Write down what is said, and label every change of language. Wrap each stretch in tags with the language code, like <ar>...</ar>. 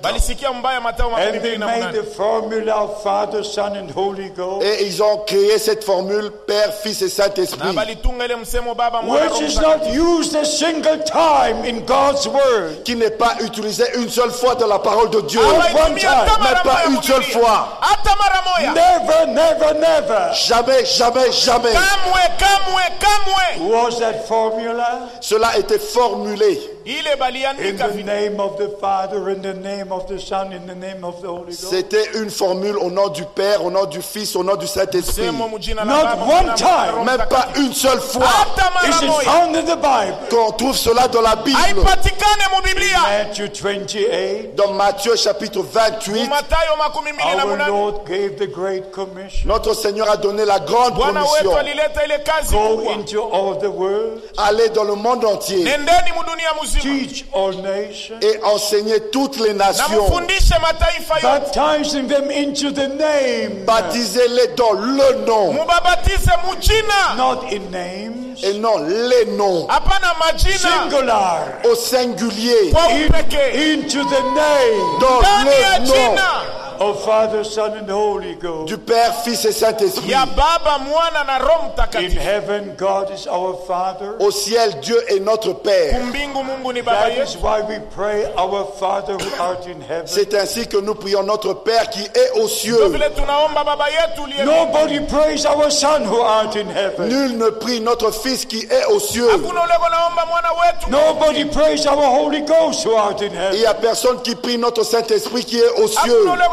<en>And they made the formula of Father, Son, and Holy Ghost.</en> <fr>Et ils ont créé cette formule Père, Fils et Saint-Esprit.</fr> <en>Which is not used a single time in God's word.</en> <fr>Qui n'est pas utilisé une seule fois dans la parole de Dieu.</fr> <en>One time,</en> <fr>mais pas une seule fois.</fr> <en>Never, never, never.</en> <fr>Jamais, jamais, jamais.</fr> <sw>Kamwe, kamwe, kamwe.</sw> <en>That formula,</en> <fr>cela était formulé.</fr> <en>In the name of the Father, in the name of the Son, in the name of the Holy Ghost.</en> <fr>C'était une formule au nom du Père, au nom du Fils, au nom du Saint-Esprit.</fr> <en>Not one time,</en> <fr>même pas une seule fois.</fr> <en>It is found in the Bible.</en> <fr>Qu'on trouve cela dans la Bible.</fr> <en>In Matthew 28.</en> <fr>Dans Matthieu chapitre 28.</fr> <en>Our Lord gave the great commission.</en> <fr>Notre Seigneur a donné la grande commission.</fr> <en>Go into all the world.</en> <fr>Allez dans le monde entier.</fr> <en>Teach all nations,</en> <fr>et enseigner toutes les nations.</fr> <en>Baptizing them into the name.</en> <fr>Baptisez-les dans le nom.</fr> <en>Not in names.</en> <fr>Et non, les noms.</fr> <en>Singular.</en> <fr>Au singulier.</fr> <en>Into the name.</en> <fr>Dans le nom.</fr> <en>Of Father, Son, and Holy Ghost.</en> <fr>Du Père, Fils et Saint-Esprit.</fr> <en>In heaven, God is our Father.</en> <fr>Au ciel, Dieu est notre Père.</fr> <en>That is why we pray our Father who art in heaven.</en> <fr>C'est ainsi que nous prions notre Père qui est aux cieux.</fr> <en>Nobody prays our Son who art in heaven.</en> <fr>Nul ne prie notre Fils qui est aux cieux.</fr> <en>Nobody prays our Holy Ghost who art in heaven.</en> <fr>Il n'y a personne qui prie notre Saint-Esprit qui est aux cieux.</fr>